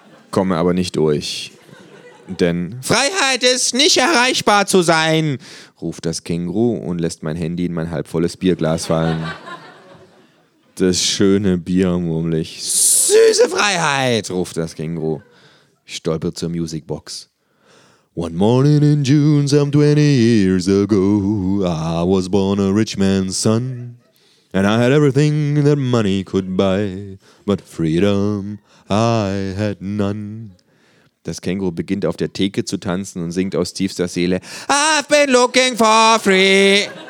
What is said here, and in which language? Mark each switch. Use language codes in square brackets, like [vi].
[de] Komme aber nicht durch, denn... Freiheit ist nicht erreichbar zu sein, ruft das Känguru und lässt mein Handy in mein halbvolles Bierglas fallen. Das schöne Bier, murmle ich. Süße Freiheit, ruft das Känguru. Ich stolper zur Musicbox. [en] One morning in June, some 20 years ago, I was born a rich man's son. And I had everything that money could buy, but freedom I had none. [de] Das Känguru beginnt auf der Theke zu tanzen und singt aus tiefster Seele, [en] I've been looking for free.